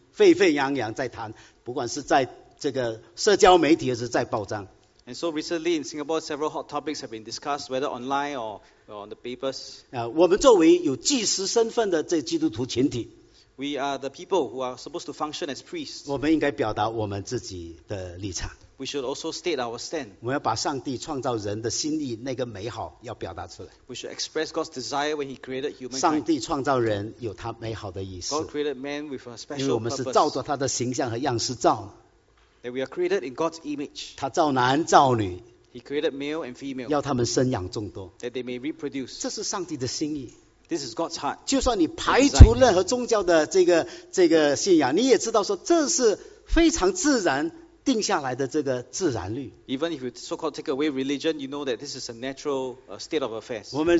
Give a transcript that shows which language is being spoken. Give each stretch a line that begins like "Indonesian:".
Chinese: 最近我们新加坡有一些的这个讨论的课题沸沸扬扬在谈。不管是在这个社交媒体还是在报章。
English: And so recently in Singapore, several hot topics have been discussed, whether online or on the papers.
Chinese: 我们作为有祭司身份的这基督徒群体。
English: We are the people who are supposed to function as priests.
Chinese: 我们应该表达我们自己的立场。
English: We should also state our stand.
Chinese: 我们要把上帝创造人的心意那个美好要表达出来。
English: We should express God's desire when he created humankind.
Chinese: 上帝创造人有他美好的意思。
English: God created man with a special purpose.
Chinese: 因为我们是照着他的形象和样式造。
English: That we are created in God's image.
Chinese: 他造男造女。
English: He created male and female.
Chinese: 要他们生养众多。
English: That they may reproduce.
Chinese: 这是上帝的心意。
English: This is God's heart.
Chinese: 就算你排除任何宗教的这个信仰, 你也知道说这是非常自然。定下来的这个自然律。
English: Even if you so-called take away religion, you know that this is a natural state of affairs.